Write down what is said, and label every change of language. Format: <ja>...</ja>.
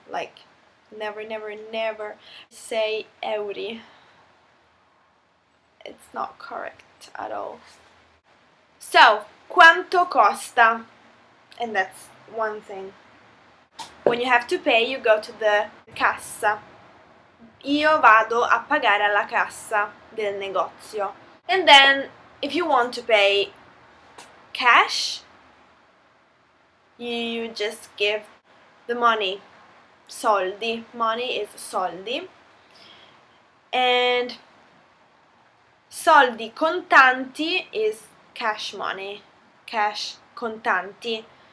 <en>Like, never, never, never say euri. It's not correct at all. So,</en> <it>quanto costa?</it> <en>And that's one thing. When you have to pay, you go to the cassa.</en> <it>Io vado a pagare alla cassa del negozio.</it> <en>And then, if you want to pay cash, you just give the money. Soldi. Money is soldi. And soldi contanti is cash money, cash contanti.</en>